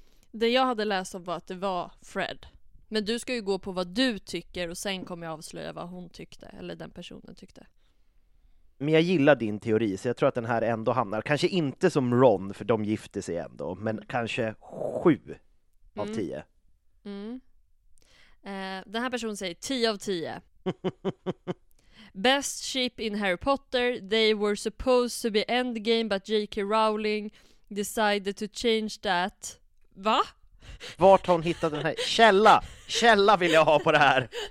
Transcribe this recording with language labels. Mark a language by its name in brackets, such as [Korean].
[Swedish] Det jag hade läst om var att det var Fred. Men du ska ju gå på vad du tycker, och sen kommer jag avslöja vad hon tyckte, eller den personen tyckte. Men jag gillar din teori, så jag tror att den här ändå hamnar. Kanske inte som Ron, för de gifte sig ändå. Men kanske 7 av 10. Den här personen säger 10 av 10. [English] Best ship in Harry Potter. They were supposed to be endgame, but J.K. Rowling decided to change that. [Swedish] Va? Vart har hon hittat den här? Källa! Källa vill jag ha på det här.